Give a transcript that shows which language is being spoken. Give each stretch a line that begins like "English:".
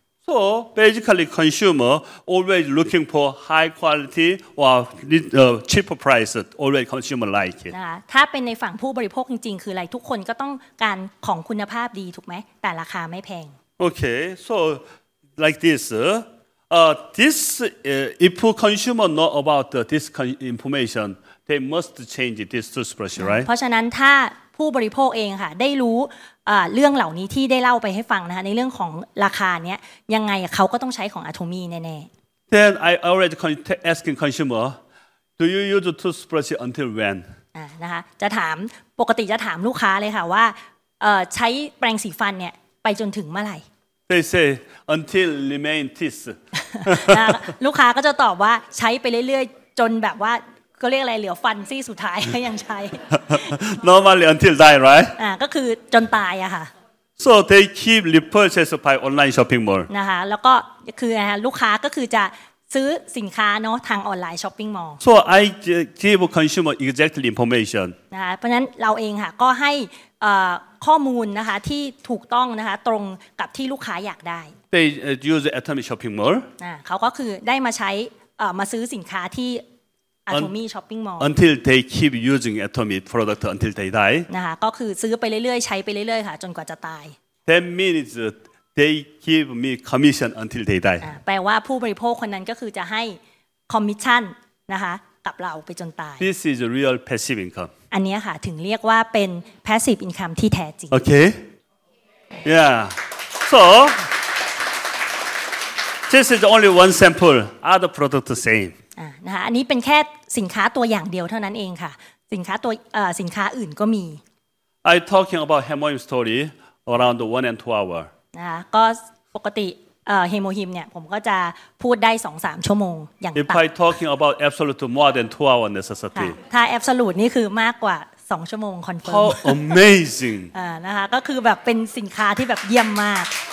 English: So basically, consumer always looking for high quality or cheaper price. Always consumer like it.
Thai: นะคะถ้าเป็นในฝั่งผู้บริโภคจริงๆคืออะไรทุกคนก็ต้องการของคุณภาพดีถูกไหมแต่ราคาไม่แพง
English: Okay, so like this. If consumer know about this information, they must change this toothbrush, right?
Thai: เพราะฉะนั้นถ้าผู้บริโภคเองค่ะได้รู้เรื่องเหล่านี้ที่ได้เล่าไปให้ฟังนะคะในเรื่องของราคาเนี้ยยังไงเขาก็ต้องใช้ของอะโทมี่แน่
English: ๆ Then I already asking consumer do you use toothbrush until when
Thai: นะคะจะถามปกติจะถามลูกค้าเลยค่ะว่าใช้แปรงสีฟันเนี่ยไปจนถึงเมื่อไหร่
English: They say until remain teeth
Thai: ลูกค้าก็จะตอบว่าใช้ไปเรื่อยๆจนแบบว่าก็เรียกอะไรเหลือฟันซี่สุดท้ายยังใช้
English: Normally until die right
Thai: ก็คือจนตายอะค่ะ
English: So they keep repurchase by online shopping mall.
Thai: นะคะแล้วก็คือลูกค้าก็คือจะซื้อสินค้าเนาะทางออนไลน์ช้อปปิ้งมอลล์
English: So I give consumer exactly information.
Thai: นะคะเพราะนั้นเราเองค่ะก็ให้ข้อมูลนะคะที่ถูกต้องนะคะตรงกับที่ลูกค้าอยากได้
English: They use Atomy shopping mall.
Thai: เขาก็คือได้มาใช้มาซื้อสินค้าที่Atomy shopping mall
English: until they keep using Atomy product until they die
Thai: นะคะก็คือซื้อไปเรื่อยๆใช้ไปเรื่อยๆค่ะจนกว่าจะตาย
English: That means they give me commission until they die
Thai: แปลว่าผู้บริโภคคนนั้นก็คือจะให้ commission นะคะกับเราไปจนตาย
English: This is a real passive income
Thai: อันนี้ค่ะถึงเรียกว่าเป็น passive income ที่แท้จริง
English: Okay Yeah So this is only one sample other product the same
Thai: นะคะอันนี้เป็นแค่สินค้าตัวอย่างเดียวเท่านั้นเองค่ะสินค้าตัวสินค้าอื่นก็มี
English: I talking about Hemohim story around 1 and 2 hour
Thai: นะก็ปกติHemohim เนี่ยผมก็จะพูดได้ 2-3 ชั่วโมงอย่างต่ำ
English: If I talking about absolute more than 2 hour necessity
Thai: ถ้า absolute นี่คือมากกว่า2ชั่วโมงคอนเฟิร์ม
English: How amazing
Thai: นะคะก็คือแบบเป็นสินค้าที่แบบเยี่ยมมาก